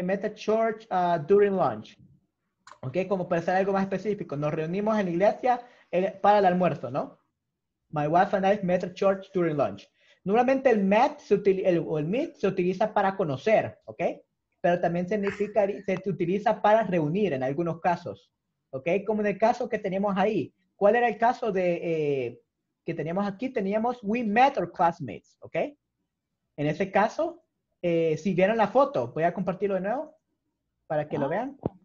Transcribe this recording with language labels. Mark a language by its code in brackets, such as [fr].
[en] Met at church during lunch. [es] Ok, como para ser algo más específico. Nos reunimos en la iglesia para el almuerzo, ¿no? [en] My wife and I met at church during lunch. [es] Normalmente el meet se utiliza para conocer, ¿ok? Pero también se utiliza para reunir en algunos casos, ¿ok? Como en el caso que teníamos ahí. ¿Cuál era el caso que teníamos aquí? Teníamos [en] we met our classmates, [es] ¿ok? En ese caso, si vieron la foto, voy a compartirlo de nuevo para que lo vean.